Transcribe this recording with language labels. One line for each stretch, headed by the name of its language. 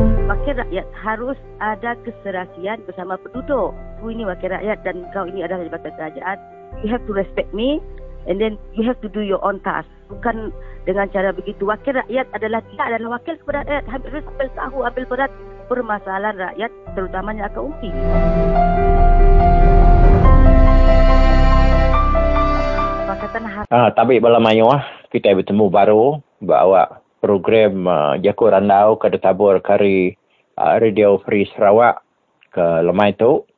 Malay: Wakil rakyat harus ada keserasian bersama penduduk. Aku ini wakil rakyat dan kau ini adalah jabatan kerajaan.
English: You have to respect me and then you have to do your own task.
Malay: Bukan dengan cara begitu. Wakil rakyat adalah, dia adalah wakil kepada rakyat. Harus ambil tahu, ambil berat permasalahan rakyat, terutamanya akar umbi.
Iban: Tapi bala mayu ah kita bertemu baru bawa program Jaku Randau ke Tabur kari Radio Free Sarawak ke lemai tu.